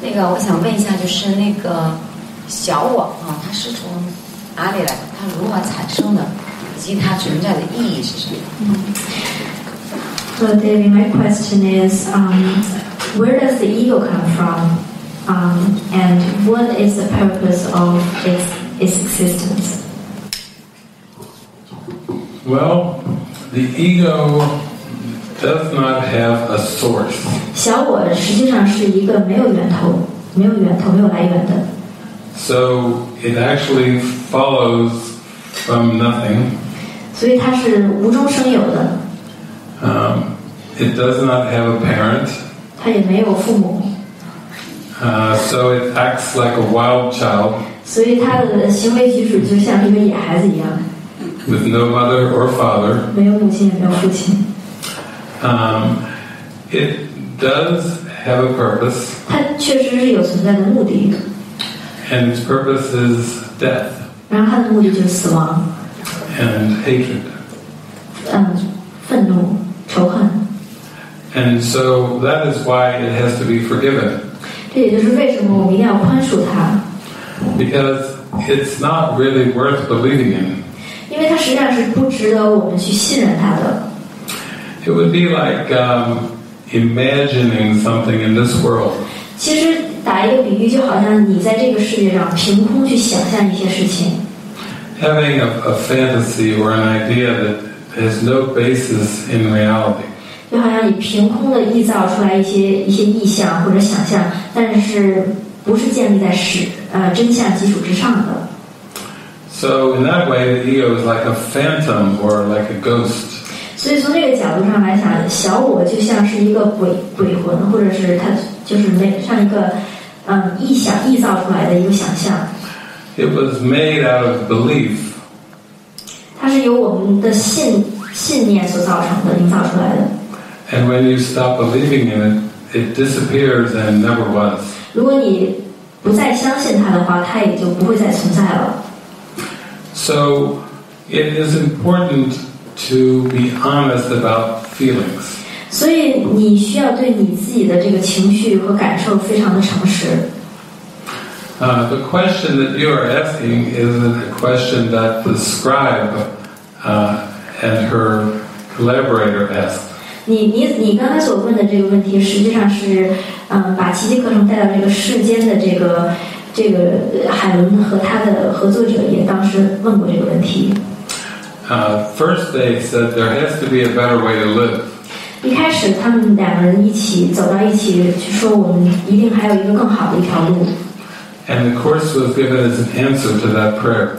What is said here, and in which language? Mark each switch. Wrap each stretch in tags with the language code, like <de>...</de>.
<zh>我想问一下，就是那个小我啊，它是从哪里来的？它如何产生的？以及它存在的意义是什么？</zh> <en>So David, my question is, where does the ego come from? And what is the purpose of its existence? Well, the ego does not have a source.</en> <zh>小我实际上是一个没有源头。没有源头，没有来源的。</zh> <en>So it actually follows from nothing.</en> <zh>所以它是无中生有的。</zh> <en>It does not have a parent.</en> <zh>它也没有父母。</zh> <en>So it acts like a wild child.</en> <zh>所以它的行为举止就像一个野孩子一样。</zh> <en>With no mother or father.</en> <zh>没有母亲，也没有父亲。</zh> <en>It does. Have a purpose.</en> <zh>它确实是有存在的目的。</zh> <en>And its purpose is death.</en> <zh>然后它的目的就是死亡。</zh> <en>And hatred.</en> <zh>愤怒、仇恨。</zh> <en>And so that is why it has to be forgiven.</en> <zh>这也就是为什么我们一定要宽恕它。</zh> <en>Because it's not really worth believing in.</en> <zh>因为它实际上是不值得我们去信任它的。</zh> <en>It would be like. Imagining something in this world.</en> <zh>其实打一个比喻，就好像你在这个世界上凭空去想象一些事情。</zh> <en>Having a fantasy or an idea that has no basis in reality.</en> <zh>就好像你凭空的臆造出来一些意象或者想象，但是不是建立在真相基础之上的。</zh> <en>So in that way, the ego is like a phantom or like a ghost.</en> <zh>所以从这个角度上来讲，小我就像是一个鬼魂，或者是它就是像一个臆造出来的一个想象。</zh> <en>It was made out of belief.</en> <zh>它是由我们的信念所造成的，营造出来的。</zh> <en>And when you stop believing in it, it disappears and never was.</en> <zh>如果你不再相信它的话，它也就不会再存在了。</zh> <en>So it is important.To be honest about feelings.</en> <zh>所以你需要对你自己的这个情绪和感受非常的诚实。</zh> <en>The question that you are asking isn't a question that the scribe and her collaborator asked.</en> <zh>你刚才所问的这个问题实际上是把奇迹课程带到这个世间的这个海伦和他的合作者也当时问过这个问题。</zh> <en>First they said there has to be a better way to live.</en> <zh>一开始他们两个人一起走到一起去说我们一定还有一个更好的一条路。</zh> <en>And the course was given as an answer to that prayer.</en>